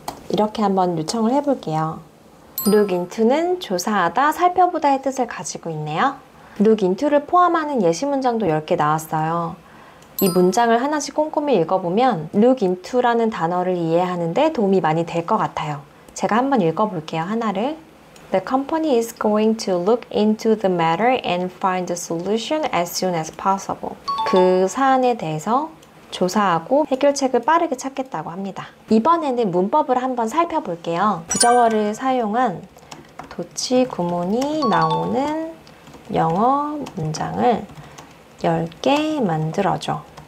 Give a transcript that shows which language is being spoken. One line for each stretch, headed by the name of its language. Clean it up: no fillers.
Korean: 이렇게 한번 요청을 해볼게요. look into는 조사하다, 살펴보다의 뜻을 가지고 있네요. look into를 포함하는 예시 문장도 10개 나왔어요. 이 문장을 하나씩 꼼꼼히 읽어보면 look into라는 단어를 이해하는데 도움이 많이 될 것 같아요. 제가 한번 읽어볼게요, 하나를.
English: The company is going to look into the matter and find a solution as soon as possible.
Korean: 그 사안에 대해서 조사하고 해결책을 빠르게 찾겠다고 합니다. 이번에는 문법을 한번 살펴볼게요. 부정어를 사용한 도치 구문이 나오는 영어 문장을 10개 만들어줘.